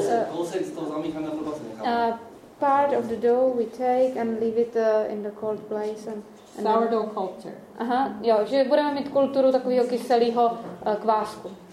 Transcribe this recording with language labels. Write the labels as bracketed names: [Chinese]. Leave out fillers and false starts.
[Czech] Kousek z toho zamícháme pro kvasek. [English] part of the dough we take and leave it in the cold place and sourdough culture. [Czech] Aha, jo, že budeme mít kulturu takového kyselého kvásku.